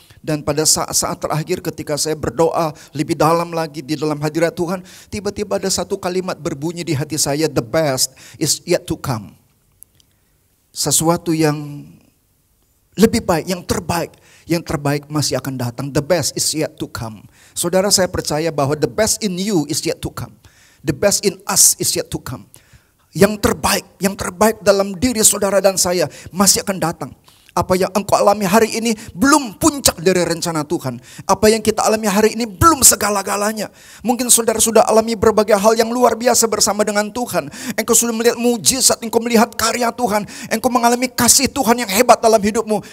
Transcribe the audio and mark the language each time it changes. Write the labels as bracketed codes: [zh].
[id] Dan pada saat-saat terakhir ketika saya berdoa lebih dalam lagi di dalam hadirat Tuhan, tiba-tiba ada satu kalimat berbunyi di hati saya, [en] the best is yet to come. [id] Sesuatu yang lebih baik, yang terbaik masih akan datang. [en] The best is yet to come. [id] Saudara, saya percaya bahwa [en] the best in you is yet to come. The best in us is yet to come. [id] Yang terbaik dalam diri saudara dan saya masih akan datang. Apa yang engkau alami hari ini belum puncak dari rencana Tuhan. Apa yang kita alami hari ini belum segala-galanya. Mungkin saudara sudah alami berbagai hal yang luar biasa bersama dengan Tuhan. Engkau sudah melihat mujizat, engkau melihat karya Tuhan. Engkau mengalami kasih Tuhan yang hebat dalam hidupmu.